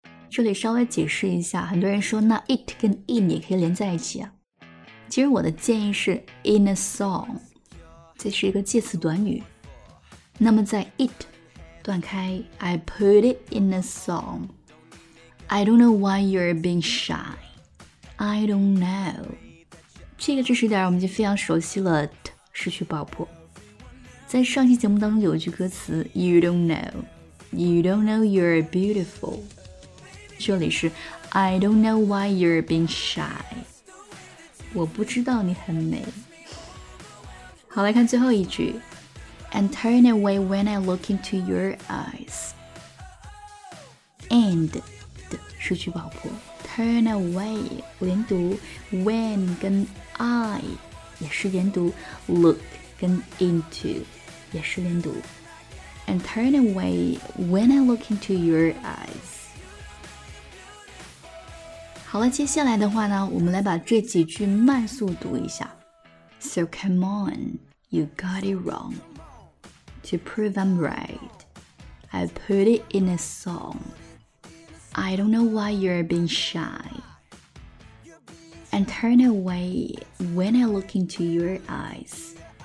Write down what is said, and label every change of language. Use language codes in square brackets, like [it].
[zh] 这里稍微解释一下，很多人说那 it 跟 in 也可以连在一起啊。其实我的建议是 [en] in a song， [zh] 这是一个介词短语。那么在 [en] it [zh] 断开 [en] ，I put it in a song。 I don't know why you're being shy. I don't know. [zh] 这个知识点我们就非常熟悉了 ，t 失去爆破。在上期节目当中有一句歌词 ， [en] You don't know you're beautiful. [zh] 这里是 [en] I don't know why you're being shy. [zh] 我不知道你很美。好，来看最后一句 [en] ，And turn away when I look into your eyes. And. [zh] 失去爆破 [en] ，turn away 连读 ，when 跟 I [zh] 也是连读 [en] ，look 跟 into 也是连读 ，and turn away when I look into your eyes。 [zh] 好了，接下来的话呢，我们来把这几句慢速读一下。 [en] So come on, you got it wrong. To prove I'm right, I put it in a song. I don't know why you're being shy. And turn away when I look into your eyes.